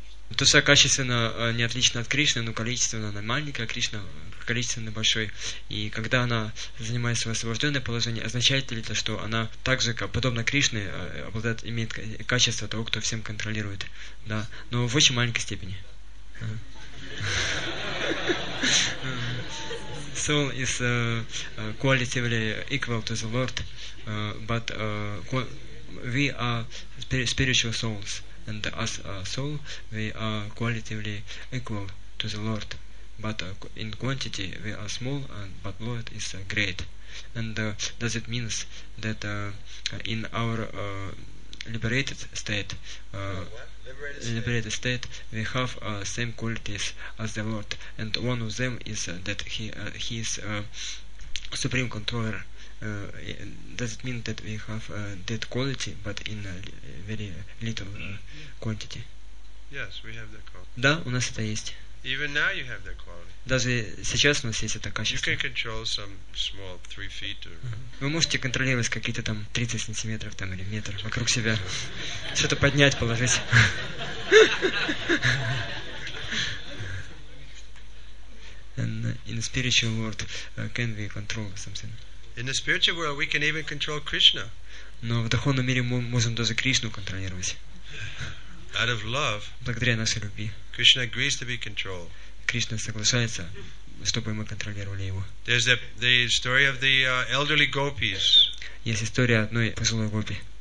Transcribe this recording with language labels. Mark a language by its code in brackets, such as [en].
[ru] Душа качественно не отлична от Кришны, но количественно она маленькая, а Кришна количественно большой. И когда она занимает свое освобожденное положение, означает ли это, что она также, подобно Кришне, обладает, имеет качество того, кто всем контролирует? Да. Но в очень маленькой степени. [en] Soul is qualitatively equal to the Lord, but we are spiritual souls. And as a soul, we are qualitatively equal to the Lord, but in quantity we are small, but Lord is great. And does it mean that in our liberated state, liberated state, we have same qualities as the Lord, and one of them is that he is supreme controller. Does it mean that we have that quality, but in a very little quantity? Yes, we have that quality. [ru] Да, у нас это есть. [en] Even now you have that quality. [ru] Даже сейчас у нас есть это качество. [en] You can control some small 3 feet. Or... [ru] Вы можете контролировать какие-то там 30 сантиметров там или метр вокруг себя, что-то поднять, положить. [en] And in the spiritual world, can we control something? In the spiritual world, we can even control Krishna. [ru] Но в духовном мире мы можем даже Кришну контролировать. [en] Out of love. [ru] Благодаря нашей любви. [en] Krishna agrees to be controlled. [ru] Кришна соглашается, чтобы мы контролировали его. [en] There's the story of the elderly gopis. [ru] Есть история одной пожилой гопи.